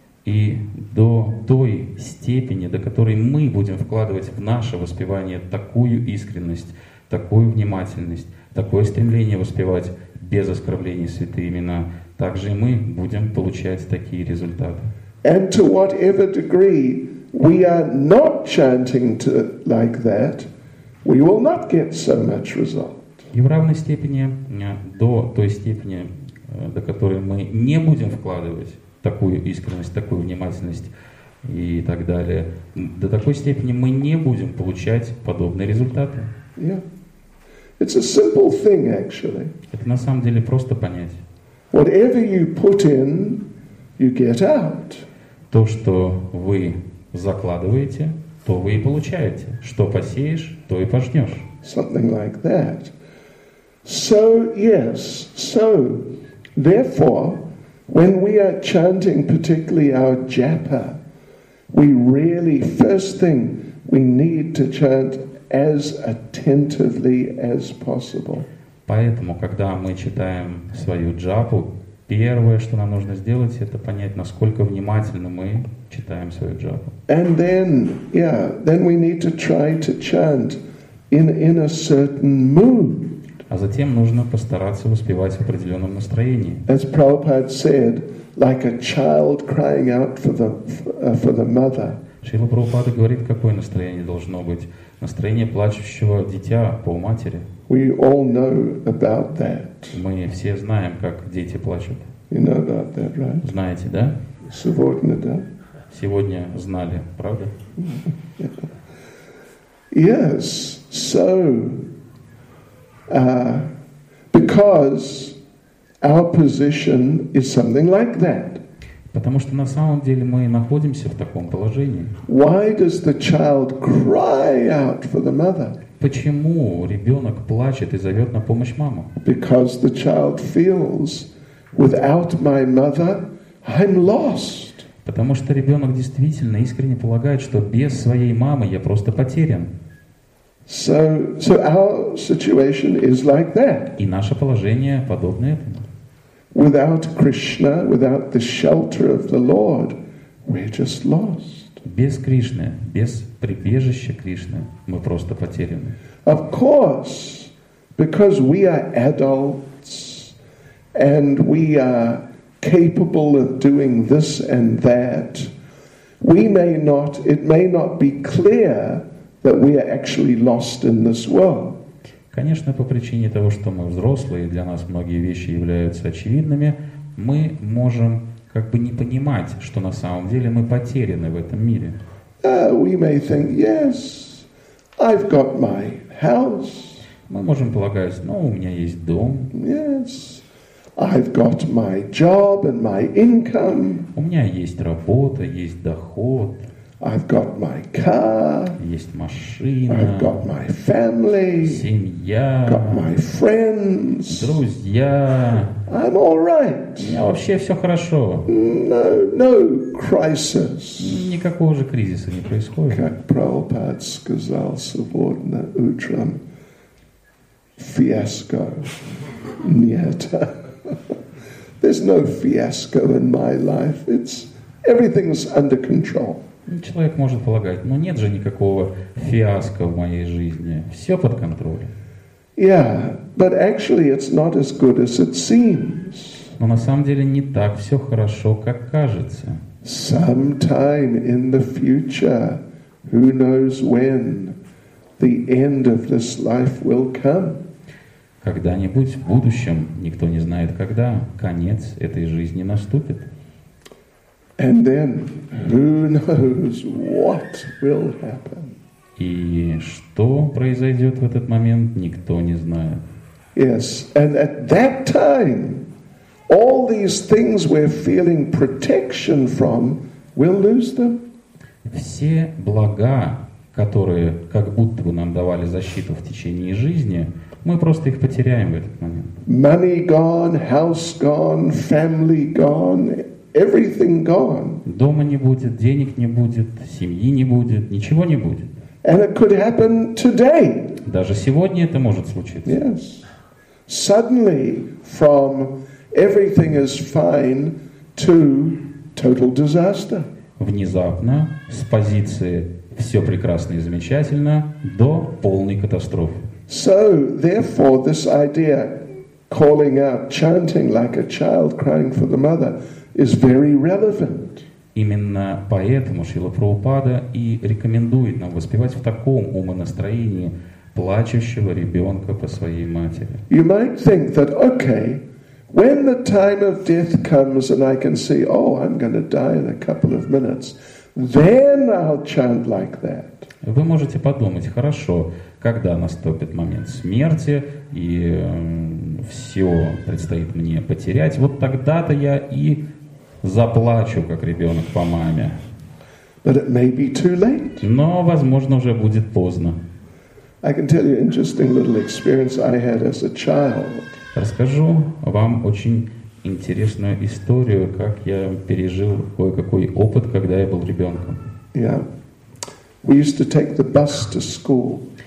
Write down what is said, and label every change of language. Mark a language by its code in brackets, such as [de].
[ru] И до той степени, до которой мы будем вкладывать в наше воспевание такую искренность, такую внимательность, такое стремление воспевать без оскорблений святые имена, также и мы будем получать такие результаты. [en] And to whatever degree we are not chanting to like that, we will not get so much result. [ru] И в равной степени, до той степени, до которой мы не будем вкладывать такую искренность, такую внимательность и так далее, до такой степени мы не будем получать подобные результаты. [en] Yeah. It's a simple thing, actually. [ru] Это на самом деле просто понять. [en] Whatever you put in, you get out. [ru] То, что вы закладываете, то вы и получаете. Что посеешь, то и пожнешь. [en] Something like that. So, yes, so, therefore, when we are chanting particularly our japa, we really, first thing, we need to chant as attentively as possible. [ru] Поэтому, когда мы читаем свою джапу, первое, что нам нужно сделать, это понять, насколько внимательно мы читаем свою джапу. [en] And then, yeah, then we need to try to chant in a certain mood. [ru] А затем нужно постараться воспевать в определенном настроении. [en] As Prabhupada said, like a child crying out for the mother. [ru] Шрила Прабхупада говорит, какое настроение должно быть. Настроение плачущего дитя по матери. [en] We all know about that. [ru] Мы все знаем, как дети плачут. [en] You know about that, right? [ru] Знаете, да? Сегодня, да? Сегодня знали, правда? [en] Yes, so... because our position is something like that. [ru] Потому что на самом деле мы находимся в таком положении. [en] Why does the child cry out for the mother? [ru] Почему ребенок плачет и зовет на помощь маму? [en] Because the child feels, without my mother, I'm lost. [ru] Потому что ребенок действительно искренне полагает, что без своей мамы я просто потерян. [en] So our situation is like that. [ru] И наше положение подобно этому. [en] Without Krishna, without the shelter of the Lord, we're just lost. [ru] Без Кришны, без прибежища Кришны, мы просто потеряны. [en] Of course, because we are adults and we are capable of doing this and that, it may not be clear that we are actually lost in this world. [ru] Конечно, по причине того, что мы взрослые, для нас многие вещи являются очевидными, мы можем как бы не понимать, что на самом деле мы потеряны в этом мире. [en] We may think, yes, I've got my house. [ru] Мы можем полагать, ну, у меня есть дом. [en] Yes, I've got my job and my income. [ru] У меня есть работа, есть доход. [en] I've got my car. [ru] Есть машина. [en] I've got my family. [ru] Семья. [en] Got my friends. [ru] Друзья. [en] I'm all right. [ru] У меня вообще все хорошо. [en] No crisis. [ru] Никакого же кризиса не происходит. Как Прабхупад сказал сегодня утром, фиаско нет. [en] There's no fiasco in my life. It's everything's under control. [ru] Человек может полагать, но нет же никакого фиаско в моей жизни. Все под контролем. [en] Yeah, but actually it's not as good as it seems. [ru] Но на самом деле не так все хорошо, как кажется. [en] Sometime in the future, who knows when, the end of this life will come. [ru] Когда-нибудь в будущем, никто не знает когда, конец этой жизни наступит. [en] And then, who knows what will happen? [ru] И что произойдет в этот момент, никто не знает. [en] Yes, and at that time, all these things we're feeling protection from, we'll lose them. [ru] Все блага, которые как будто бы нам давали защиту в течение жизни, Мы просто их потеряем в этот момент. [en] Money gone, house gone, family gone, everything gone. [ru] Дома не будет, денег не будет, семьи не будет, ничего не будет. [en] And it could happen today. [ru] Даже сегодня это может случиться. [en] Yes. Suddenly, from everything is fine to total disaster. [ru] Внезапно, с позиции «все прекрасно и замечательно» до полной катастрофы. [en] So, therefore, this idea calling out, chanting like a child crying for the mother is very relevant. [ru] Именно поэтому Шрила Прабхупада и рекомендует нам воспевать в таком умонастроении плачущего ребенка по своей матери. [en] You might think that, okay, when the time of death comes and I can see, oh, I'm going to die in a couple of minutes, then I'll chant like that. [ru] Вы можете подумать, хорошо, когда наступит момент смерти, и все предстоит мне потерять, вот тогда-то я и заплачу, как ребенок по маме. [en] But it may be too late. [ru] Но, возможно, уже будет поздно. [en] I can tell you an interesting little experience I had as a child. [ru] Расскажу вам очень интересную историю, как я пережил кое-какой опыт, когда я был ребенком. [en] Yeah. We used to take the bus to school.